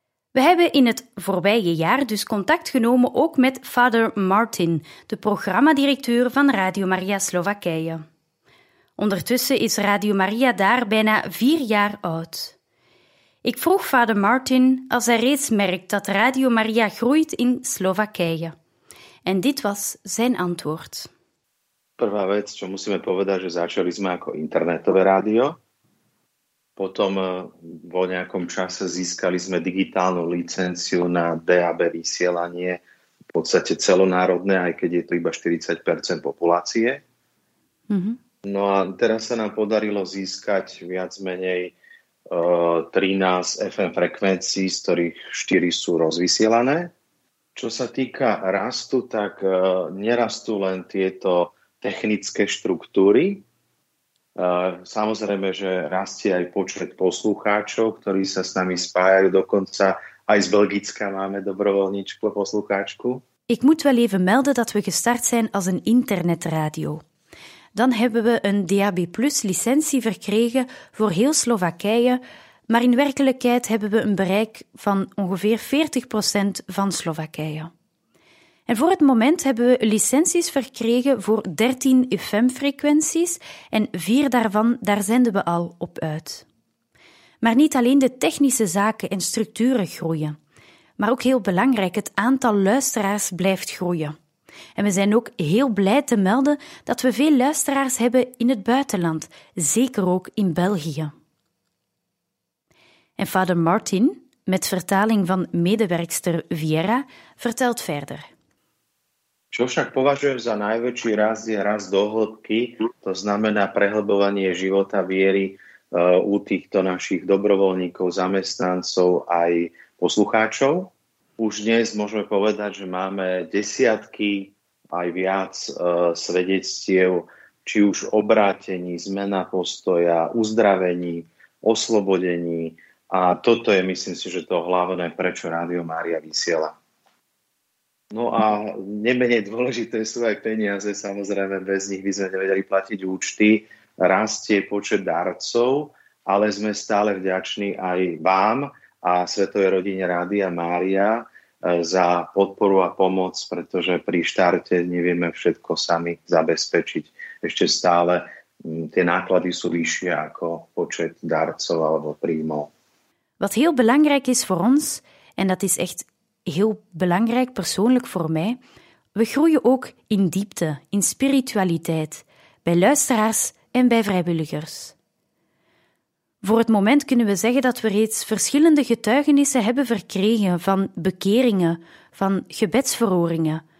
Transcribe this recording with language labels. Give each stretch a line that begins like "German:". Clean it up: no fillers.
Dutch: We hebben in het voorbije jaar dus contact genomen ook met Father Martin, de programmadirecteur van Radio Maria Slowakije. Ondertussen is Radio Maria daar bijna 4 jaar oud. Ik vroeg Father Martin als hij reeds merkt dat Radio Maria groeit in Slowakije. En dit was zijn antwoord.
Slovak: Prvá vec, čo musíme povedať, že začali sme ako internetové rádio. Potom vo nejakom čase získali sme digitálnu licenciu na DAB vysielanie v podstate celonárodné, aj keď je to iba 40% populácie. Mm-hmm. No a teraz sa nám podarilo získať viac menej 13 FM frekvencií, z ktorých 4 sú rozvysielané. Čo sa týka rastu, tak nerastú len tieto technické štruktúry. Samozrejme, že rastie aj počet poslucháčov, ktorí sa s nami spájajú, dokonca aj z Belgicka máme dobrovoľničku a poslucháčku.
Dutch: Ik moet wel even melden dat we gestart zijn als een internetradio. Dan hebben we een DAB Plus licentie verkregen voor heel Slowakije, maar in werkelijkheid hebben we een bereik van ongeveer 40% van Slowakije. En voor het moment hebben we licenties verkregen voor 13 FM-frequenties en 4 daarvan, daar zenden we al op uit. Maar niet alleen de technische zaken en structuren groeien, maar ook heel belangrijk, het aantal luisteraars blijft groeien. En we zijn ook heel blij te melden dat we veel luisteraars hebben in het buitenland, zeker ook in België. En Father Martin, met vertaling van medewerkster Viera, vertelt verder.
Slovak: Čo však považujem za najväčší rast je rast do hĺbky, to znamená prehlbovanie života viery u týchto našich dobrovoľníkov, zamestnancov aj poslucháčov. Už dnes môžeme povedať, že máme desiatky aj viac svedectiev, či už obrátení, zmena postoja, uzdravení, oslobodení. A toto je, myslím si, že to hlavné, prečo Rádio Mária vysiela. No a nemenej dôležité sú aj peniaze, samozrejme, bez nich by sme nevedeli platiť účty. Rastie počet darcov, ale sme stále vďační aj vám a Svetovej rodine Rádia Mária za podporu a pomoc, pretože pri štarte nevieme všetko sami zabezpečiť. Ešte stále tie náklady sú vyššie ako počet darcov alebo príjmov.
Dutch: Wat heel belangrijk is voor ons, en dat is echt heel belangrijk persoonlijk voor mij. We groeien ook in diepte, in spiritualiteit, bij luisteraars en bij vrijwilligers. Voor het moment kunnen we zeggen dat we reeds verschillende getuigenissen hebben verkregen van bekeringen, van gebedsverhoringen